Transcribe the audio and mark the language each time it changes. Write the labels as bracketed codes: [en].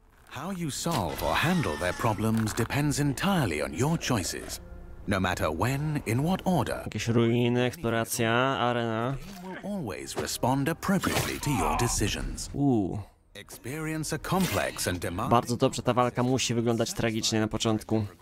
[en] How you solve or handle their problems depends entirely on your choices. No matter when, in what order. [pl] Jakieś ruiny, eksploracja, arena. [en] Always respond appropriately to your decisions. Experience a complex and demanding. [pl] Bardzo dobrze, ta walka musi wyglądać tragicznie na początku.